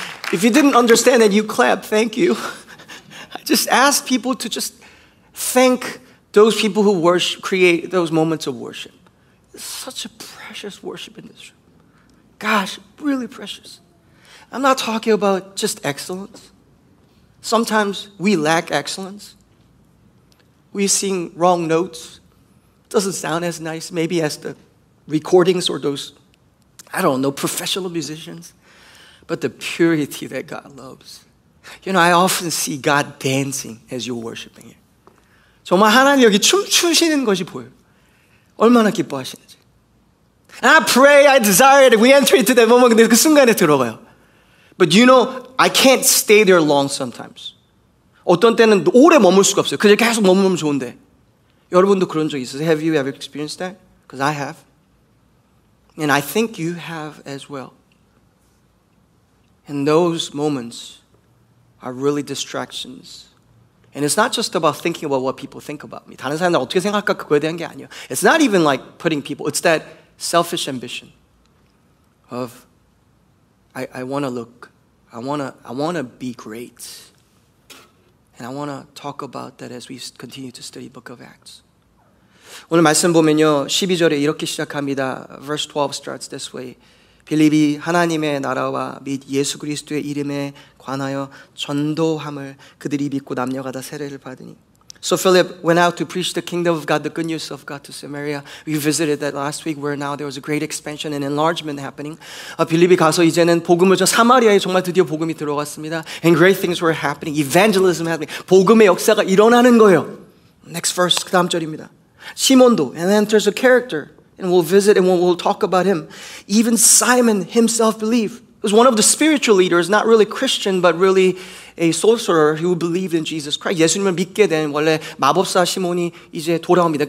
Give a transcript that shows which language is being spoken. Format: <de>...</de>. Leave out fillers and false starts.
<en>If you didn't understand it, you clap, thank you. I just ask people to just thank those people who worship, create those moments of worship. It's such a precious worship in this room. Gosh, really precious. I'm not talking about just excellence. Sometimes we lack excellence. We sing wrong notes. It doesn't sound as nice, maybe as the recordings or those, I don't know, professional musicians. But the purity that God loves. You know, I often see God dancing as you're worshiping Him.</en> <ko>정말 하나님 여기 춤추시는 것이 보여요. 얼마나 기뻐하시는지.</ko> <en>And I pray, I desire it. We enter into that moment.</en> <ko>근데 그 순간에 들어가요.</ko> <en>But you know, I can't stay there long sometimes.</en> <ko>어떤 때는 오래 머물 수가 없어요. 그냥 계속 머무르면 좋은데. 여러분도 그런 적 있으세요?</ko> <en>Have you ever experienced that? Because I have. And I think you have as well. And those moments are really distractions. And it's not just about thinking about what people think about me.</en> <ko>다른 사람들 어떻게 생각할까 그거에 대한 게 아니에요.</ko> <en>It's not even like putting people. It's that selfish ambition of I want to look, I want to be great. And I want to talk about that as we continue to study the book of Acts.</en> <ko>오늘 말씀 보면요. 12절에 이렇게 시작합니다.</ko> <en>Verse 12 starts this way.</en> <ko>빌립이 하나님의 나라와 및 예수 그리스도의 이름에 관하여 전도함을 그들이 믿고 남녀가 다 세례를 받으니.</ko> <en>So Philip went out to preach the kingdom of God, the good news of God to Samaria. We visited that last week where now there was a great expansion and enlargement happening.</en> <ko>빌립이 가서 이제는 복음을 전 사마리아에 정말 드디어 복음이 들어갔습니다.</ko> <en>And great things were happening. Evangelism happening.</en> <ko>복음의 역사가 일어나는 거예요.</ko> <en>Next verse,</en> <ko>그 다음 절입니다. 시몬도.</ko> <en>And then there's a character. And we'll visit and we'll talk about him. Even Simon himself believed. He was one of the spiritual leaders, not really Christian, but really a sorcerer who believed in Jesus Christ.</en> <ko>예수님을 믿게 된 원래 마법사 시몬이 이제 돌아옵니다.</ko>